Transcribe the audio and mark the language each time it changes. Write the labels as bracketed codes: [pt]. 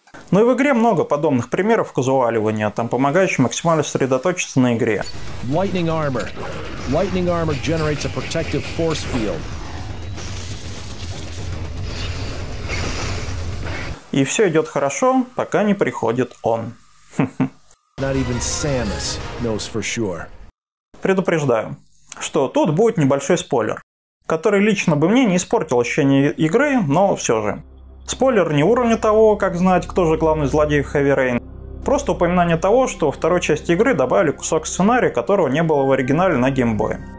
[ru] Ну и в игре много подобных примеров казуаливания, там помогающих максимально сосредоточиться на игре. [en] Lightning armor. Lightning armor generates a protective force field. [ru] И все идет хорошо, пока не приходит он. [en] Not even Samus knows for sure. [ru] Предупреждаю, что тут будет небольшой спойлер, который лично бы мне не испортил ощущение игры, но все же. Спойлер не уровня того, как знать, кто же главный злодей в Heavy Rain. Просто упоминание того, что во второй части игры добавили кусок сценария, которого не было в оригинале на Game Boy.